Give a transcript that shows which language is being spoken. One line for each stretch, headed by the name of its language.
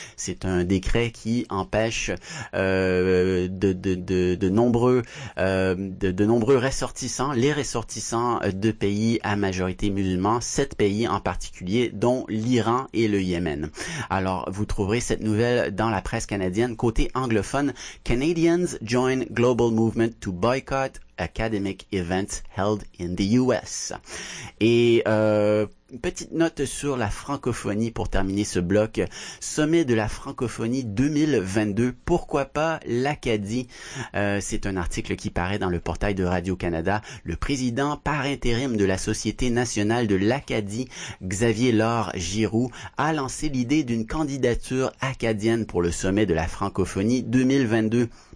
French: C'est un décret qui empêche de nombreux ressortissants, les ressortissants de pays à majorité musulmane, 7 pays en particulier, dont l'Iran et le Yémen. Alors, vous trouverez cette nouvelle dans la presse canadienne. Côté anglophone,
English: Canadians join global movement to boycott academic events held in the US.
French: Et petite note sur la francophonie pour terminer ce bloc. Sommet de la francophonie 2022, pourquoi pas l'Acadie? C'est un article qui paraît dans le portail de Radio-Canada. Le président par intérim de la Société nationale de l'Acadie, Xavier-Laure Giroux, a lancé l'idée d'une candidature acadienne pour le sommet de la francophonie 2022.